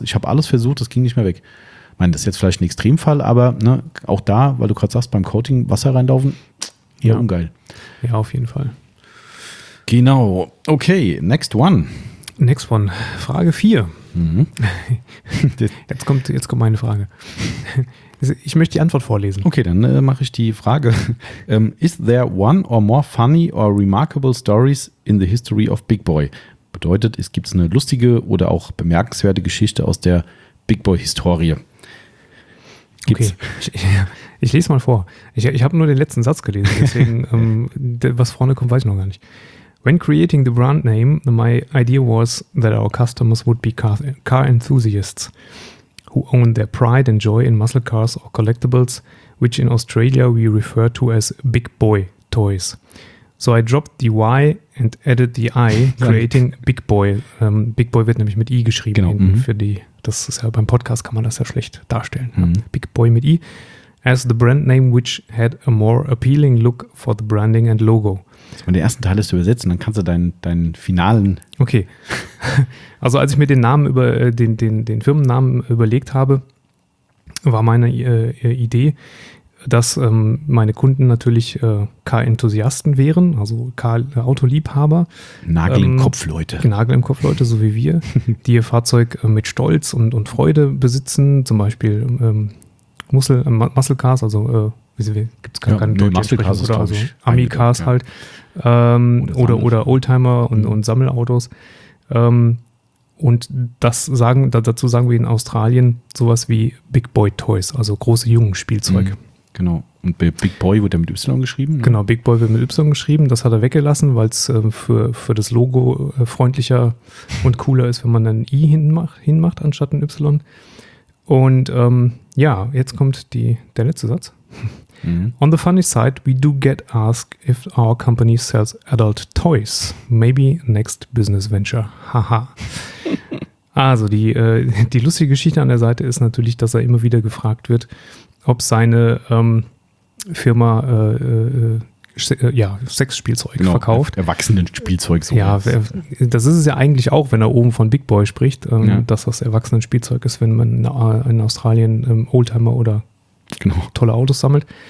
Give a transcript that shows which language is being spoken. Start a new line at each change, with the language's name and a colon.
German: Ich habe alles versucht, das ging nicht mehr weg. Ich meine, das ist jetzt vielleicht ein Extremfall, aber ne, auch da, weil du gerade sagst, beim Coating Wasser reinlaufen, eher ungeil. Ja, auf jeden Fall.
English: Genau. Okay, next one. Next one.
German: Frage 4. Mhm. Jetzt kommt meine Frage. Ich möchte die Antwort vorlesen. Okay, dann mache ich die Frage.
English: Is there one or more funny or remarkable stories in the history of Big Boy?
German: Bedeutet, es gibt eine lustige oder auch bemerkenswerte Geschichte aus der Big Boy-Historie. Gibt's? Okay, ich lese mal vor. Ich habe nur den letzten Satz gelesen, deswegen, was vorne kommt, weiß ich noch gar nicht.
English: When creating the brand name, my idea was that our customers would be car enthusiasts who own their pride and joy in muscle cars or collectibles, which in Australia we refer to as big boy toys. So I dropped the Y and added the I, creating big boy.
German: Big boy wird nämlich mit I geschrieben. Genau. Das ist ja beim Podcast, kann man das ja schlecht darstellen. Mhm. Big boy mit I.
English: As the brand name, which had a more appealing look for the branding and logo.
German: Wenn der ersten Teil ist übersetzen, dann kannst du deinen finalen. Okay. Also als ich mir den Firmennamen überlegt habe, war meine Idee, dass meine Kunden natürlich Car-Enthusiasten wären, also Car-Autoliebhaber. Nagel im Kopf, Leute. Nagel im Kopf, Leute, so wie wir, die ihr Fahrzeug mit Stolz und Freude besitzen, zum Beispiel Muscle Cars, also gibt es keine Deutschsprache, oder also Ami-Cars halt, oder Oldtimer und Sammelautos. Und dazu sagen wir in Australien sowas wie Big Boy Toys, also große Jungen-Spielzeug. Mhm, genau. Und Big Boy wird ja mit Y geschrieben? Genau, Big Boy wird mit Y geschrieben. Das hat er weggelassen, weil es für das Logo freundlicher und cooler ist, wenn man ein I hinmacht anstatt ein Y. Und jetzt kommt der letzte Satz. Mm-hmm.
English: On the funny side, we do get asked if our company sells adult toys. Maybe next business venture. Haha.
German: Also die lustige Geschichte an der Seite ist natürlich, dass er immer wieder gefragt wird, ob seine Firma Sex Spielzeug genau, verkauft. Erwachsenen-Spielzeug. So ja, das ist es ja eigentlich auch, wenn er oben von Big Boy spricht, dass das Erwachsenen-Spielzeug ist, wenn man in Australien Oldtimer oder tolle Autos sammelt.